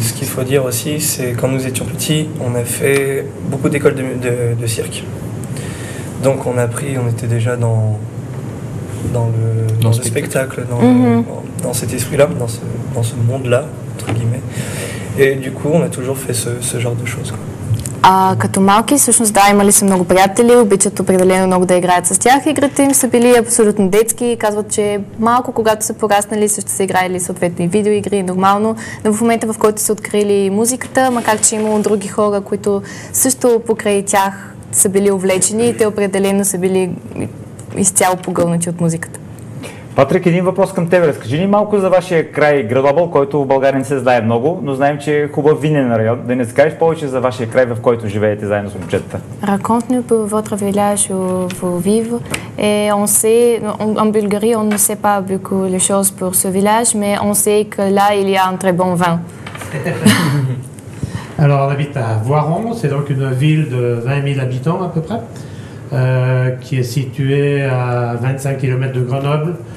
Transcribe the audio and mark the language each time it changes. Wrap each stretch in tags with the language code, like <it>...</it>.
<fr>Ce qu'il faut dire aussi, c'est quand nous étions petits, on a fait beaucoup d'écoles de cirque. Donc on a appris, on était déjà dans le spectacle, dans cet esprit-là, dans ce monde-là, entre guillemets. Et du coup, on a toujours fait ce genre de choses.</fr> <bg>Като малки, всъщност да, имали са много приятели, обичат определено много да играят с тях. Игрите им са били абсолютно детски и казват, че малко когато са пораснали, също са играли съответни видеоигри, нормално. Но в момента, в който са открили музиката, макар че имало други хора, които също покрай тях са били увлечени и те определено са били изцяло погълнати от музиката. Патрик, един въпрос към теб. Разкажи ни малко за вашия край Гранобъл, който в България не се знае много, но знаем, че е хубав винен район. Да не скажеш повече за вашия край, в който живеете заедно с момчетата.</bg> <fr>Raconte-nous pour votre village où vous vivez. Et on sait, en Bulgarie, on ne sait pas beaucoup les choses pour ce village, mais on sait que là, il y a un très bon vin. Alors, on habite à Voiron, c'est donc une ville de 20 000 habitants à peu près, qui est située à 25 km de Grenoble.</fr>